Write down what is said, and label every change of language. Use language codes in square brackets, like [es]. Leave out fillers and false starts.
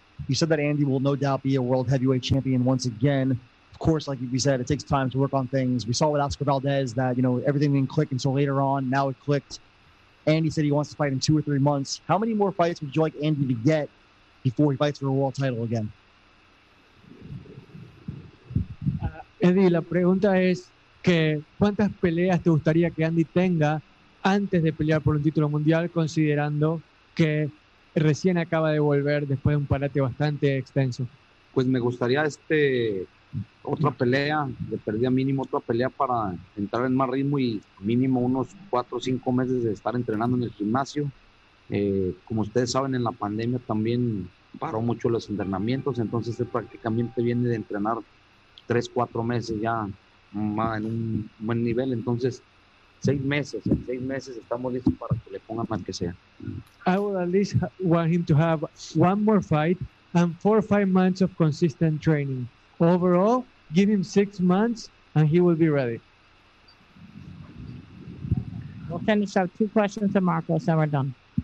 [en] You said that Andy will no doubt be a world heavyweight champion once again. Of course, like you said, it takes time to work on things. We saw with Oscar Valdez that, you know, everything didn't click, and so later on, now it clicked. Andy said he wants to fight in 2 or 3 months. How many more fights would you like Andy to get before he fights for a world title again? [es] Eddie, la pregunta es que cuántas peleas te gustaría que Andy tenga antes de pelear por un título mundial, considerando que recién acaba de volver después de un parate bastante extenso. Pues me gustaría otra pelea, de perdida mínimo otra pelea para entrar en más ritmo y mínimo unos 4 o 5 meses de estar entrenando en el gimnasio. Como ustedes saben, en la pandemia también paró mucho los entrenamientos, entonces él prácticamente viene de entrenar 3 o 4 meses ya en un buen nivel. Entonces, en seis meses estamos listos para que le pongan más que sea. [en] I would at least want him to have one more fight and 4 or 5 months of consistent training. Overall, give him 6 months and he will be ready. We'll finish up 2 questions to Marcos and we're done.